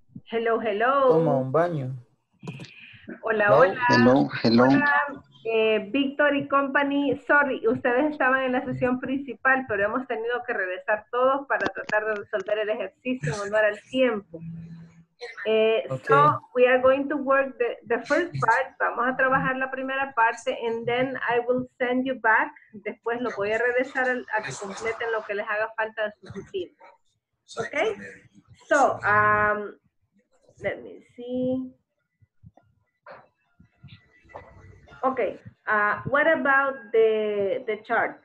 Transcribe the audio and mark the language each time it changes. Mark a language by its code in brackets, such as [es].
[en] Hello, hello. [es] Toma un baño. Hola, hola. [en] Hello, hello. [es] Hola, Victor y company. Sorry, ustedes estaban en la sesión principal, pero hemos tenido que regresar todos para tratar de resolver el ejercicio en honor al tiempo. [en] Okay. So, we are going to work the first part. [es] Vamos a trabajar la primera parte [en] and then I will send you back. [es] Después lo voy a regresar a que completen lo que les haga falta de su rutina. [en] Okay? So, let me see. Okay, what about the chart?